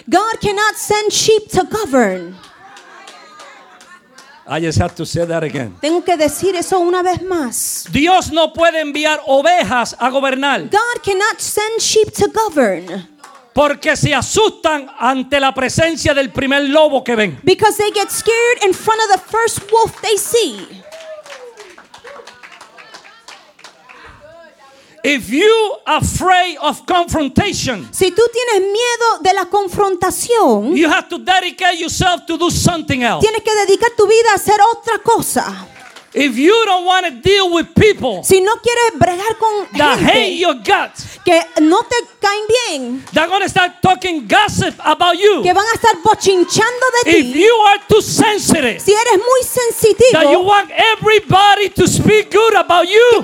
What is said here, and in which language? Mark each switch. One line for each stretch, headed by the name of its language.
English: God cannot send sheep to govern. I just have to say that again.
Spanish: Tengo que decir eso una vez más. Dios no puede enviar ovejas a gobernar.
English: God cannot send sheep to govern.
Spanish: Porque se asustan ante la presencia del primer lobo que ven.
English: Because they get scared in front of the first wolf they see. If you are afraid of confrontation,
Spanish: si tú tienes miedo de la confrontación,
English: you have to dedicate yourself to do something else.
Spanish: Tienes que dedicar tu vida a hacer otra cosa.
English: If you don't want to deal with people,
Spanish: si no quieres bregar con
English: that
Spanish: gente,
English: hate your guts,
Spanish: que no te caen bien,
English: they're going to start talking gossip about you.
Spanish: Que van a estar bochinchando de ti.
English: If you are too sensitive,
Spanish: si eres muy sensitivo,
English: that you want everybody to speak good about you,